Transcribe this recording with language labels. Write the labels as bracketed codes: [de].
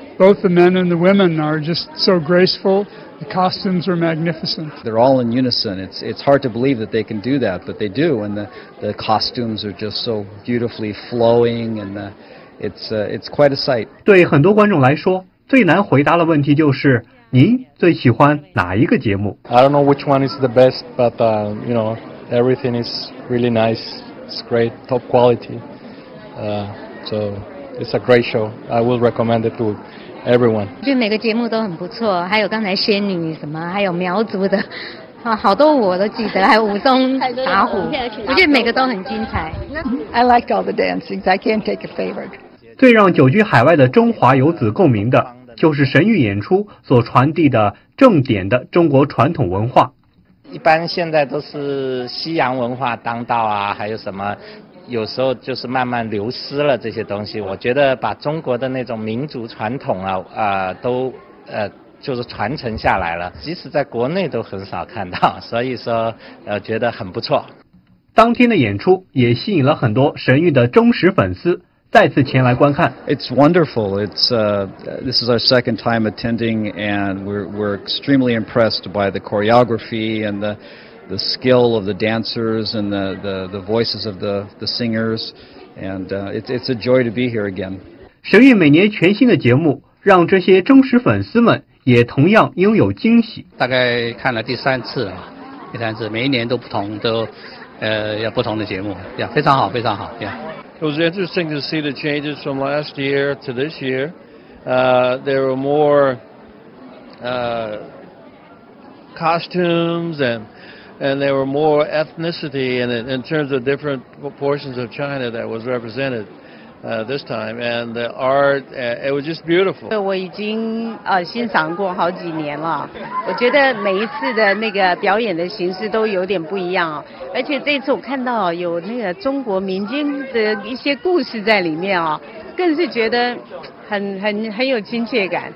[en] Both the men and the women are just so graceful. The costumes are magnificent. They're all in unison. It's hard to believe that they can do that, but they do. And the costumes are just so beautifully flowing. And it's quite a sight. [zh] 对很多观众来说，最难回答的问题就是您最喜欢哪一个节目？ [en] I don't know which one is the best, but you know, everything is really nice. It's great, top quality. It's a great show. I will recommend it to everyone. [zh] 对每个节目都很不错，还有刚才仙女什么，还有苗族的，啊，好多我都记得，还有武松打虎，我觉得每个都很精彩。 [en] I liked all the dancing. I can't take a favorite. [zh] 最让久居海外的中华游子共鸣的，就是神韵演出所传递的正点的中国传统文化。一般现在都是西洋文化当道啊，还有什么。有时候就是慢慢流失了这些东西，我觉得把中国的那种民族传统啊，都就是传承下来了，即使在国内都很少看到，所以说觉得很不错。当天的演出也吸引了很多神韵的忠实粉丝再次前来观看。 [en] It's wonderful. It's this is our second time attending, and we're extremely impressed by the choreography and the skill of the dancers and the voices of the singers, and it's a joy to be here again. [zh] 神韵每年全新的节目，让这些忠实粉丝们也同样拥有惊喜。大概看了第三次了，第三次每一年都不同，都有不同的节目，yeah, 非常好，非常好。 [en] Yeah. It was interesting to see the changes from last year to this year. There were more costumes and there were more ethnicity in terms of different portions of China that was represented this time. And the art, it was just beautiful. [zh] 我已经欣赏过好几年了，我觉得每一次的那个表演的形式都有点不一样，而且这次我看到有那个中国民间的一些故事在里面，更是觉得很有亲切感。